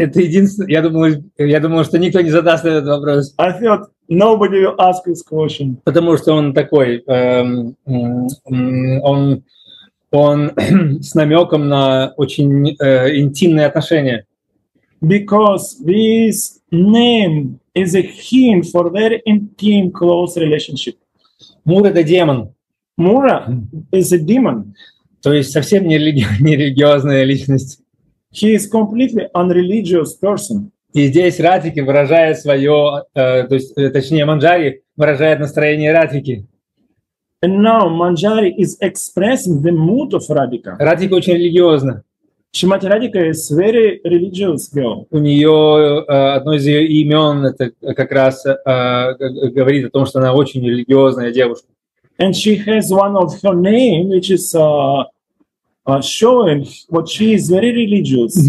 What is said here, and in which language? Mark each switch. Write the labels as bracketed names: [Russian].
[Russian] Это единственное, я думал, что никто не задаст этот вопрос. [English] I thought nobody will ask this question. [Russian] Потому что он такой, он с намеком на очень интимные отношения. [English] Because this name is a hint for very intimate, close relationship. [Russian] Мура — это демон. [English] Мура is a demon. [Russian] То есть совсем не религиозная личность. [English] He is completely unreligious person. [Russian] И здесь Радхики выражает свое, то есть, точнее, Манджари выражает настроение Радхики. [English] And now Manjari is expressing the mood of Radhika. [Russian] Радхика очень религиозна. [English] Шримати Радхика is very religious girl. [Russian] У нее одно из ее имен это как раз говорит о том, что она очень религиозная девушка. [English] And she has one of her name, which is showing what she is very religious.